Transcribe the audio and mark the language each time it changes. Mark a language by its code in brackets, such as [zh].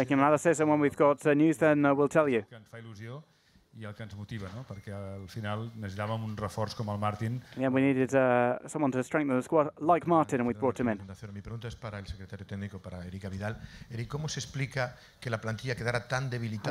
[en] Making analysis and when we've got news then we'll tell you. [ca] Que ens fa il·lusió i el que ens motiva, no? Perquè al final necessitàvem un reforç com el Martin. [en] Yeah, we needed someone to strengthen the squad like Martin and we brought him in. [es] Mi pregunta es para el secretario técnico, para Eric Vidal. Eric, ¿cómo se explica que la plantilla quedara tan debilitada?